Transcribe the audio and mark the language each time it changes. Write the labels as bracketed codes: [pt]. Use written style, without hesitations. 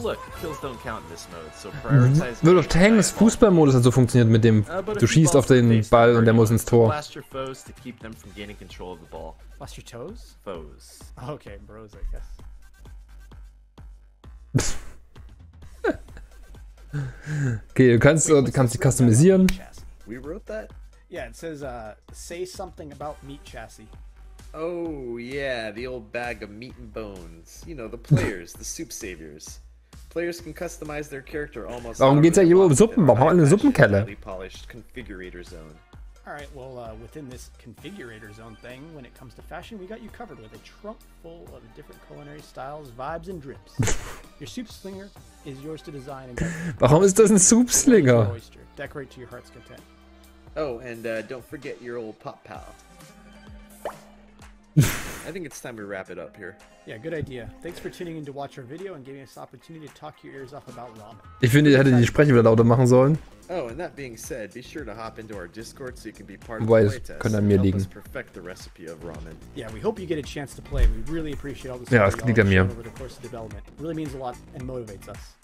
[de] World of Tanks Fußballmodus hat so funktioniert mit dem, du schießt auf den Ball und der muss ins Tor. [en] Blast your foes to keep them from gaining control of the ball. Blast your toes? Foes. Okay, bros, I guess. [de] Okay, du kannst sie customisieren. [en] We wrote that? Yeah, it says, say something about meat chassis. Oh, yeah, the old bag of meat and bones. You know, the players, the soup saviors. Players can customize their character almost. [de] Warum geht's eigentlich über Suppen? Warum haben wir eine Suppenkelle? [en] Alright, well, within this configurator zone thing, when it comes to fashion, we got you covered with a trunk full of different culinary styles, vibes and drips. Your soup-slinger is yours to design and [de] warum ist das ein Soup-Slinger? [en] Decorate to your heart's content. Oh, and don't forget your old pop pal. I think it's time we wrap it up here. Yeah, good idea. Thanks for tuning in to watch our video and giving us the opportunity to talk your ears off about ramen. [de] Ich finde, ich hätte die Sprecher wieder lauter machen sollen. [en] Oh, and that being said, be sure to hop into our Discord so you can be part [de] wobei, [en] of the playtest. [de] Könnte an mir liegen. [en] Help us perfect the recipe of ramen. Yeah, we hope you get a chance to play. We really appreciate all the [de] support. Ja, es liegt an mir. [en] Over the course of development, it really means a lot and motivates us.